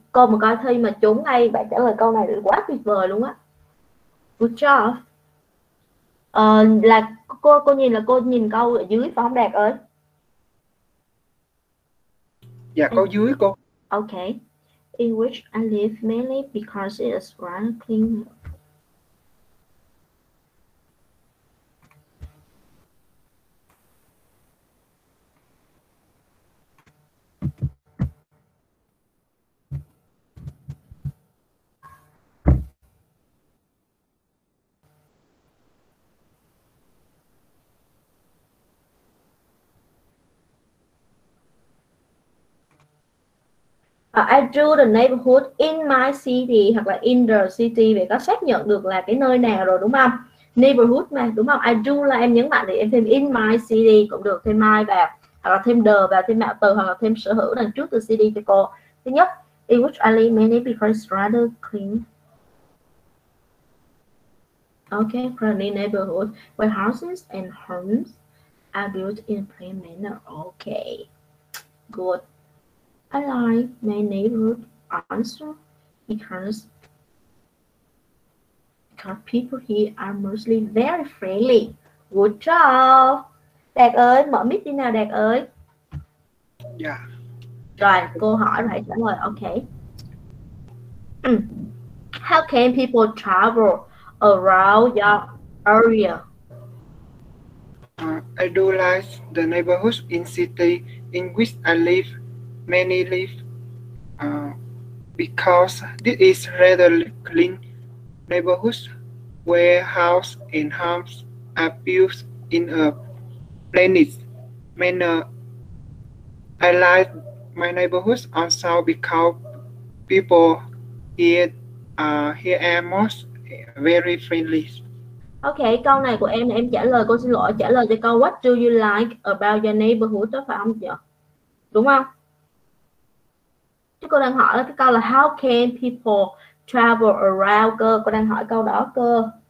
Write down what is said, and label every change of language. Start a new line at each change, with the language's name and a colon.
Vietnamese: Cô mà coi thi mà trúng ngay bạn trả lời câu này là quá tuyệt vời luôn á.
English: Good job.
Vietnamese: Là cô nhìn là cô nhìn câu ở dưới phải không đẹp ơi? Dạ câu dưới cô.
English: Okay. In which I live mainly because it is run clean. I drew the neighborhood in my city
Vietnamese: hoặc là
English: in the city
Vietnamese: để có xác nhận được là cái nơi nào rồi đúng không? Neighborhood mà đúng không? I drew là em nhấn mạnh thì em thêm
English: in my city
Vietnamese: cũng được, thêm my vào hoặc là thêm the vào, thêm mạo từ hoặc là thêm sở hữu đằng trước từ city cho cô. Thứ nhất,
English: in which I live mainly because it's rather clean. Okay, friendly neighborhood where houses and homes are built in a plain manner. Okay, good. I like my neighborhood also because people here are mostly very friendly. Good job.
Vietnamese: Đạt ơi, mở mic đi nào Đạt ơi.
English: Yeah.
Vietnamese: Rồi, cô hỏi rồi, trả lời, okay.
English: How can people travel around your area? I do like the neighborhood in city in which I live. Many live because this is rather clean neighborhoods where house and homes are built in a planned manner. I like my neighborhood also because people here are most very friendly.
Vietnamese: Okay, câu này của em trả lời, cô xin lỗi, trả lời cho câu
English: what do you like about your neighborhood
Vietnamese: đó, phải không chị? Đúng không? Chứ cô đang hỏi là cái câu là
English: how can people travel around
Vietnamese: cơ, cô đang hỏi câu đó cơ.